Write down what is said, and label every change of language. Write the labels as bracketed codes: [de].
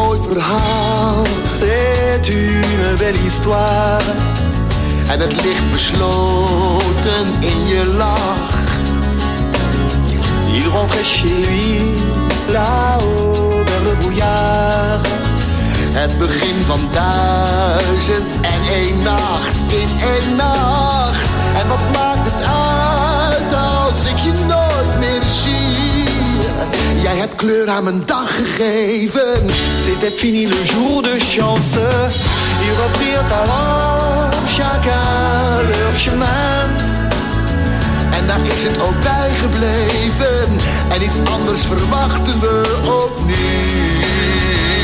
[fr] verhaal, c'est une belle histoire. [nl] En het ligt besloten in je lach. [fr] Il rentre chez lui, là-haut dans le brouillard. [nl] Het begin van duizend en één nacht, in één nacht. En wat maakt het uit als ik je nooit meer zie? Jij hebt kleur aan mijn dag gegeven. [fr] C'était fini le jour de chance. Ils reprirent alors chacun leur chemin. [nl] En daar is het ook bij gebleven. En iets anders verwachten we opnieuw.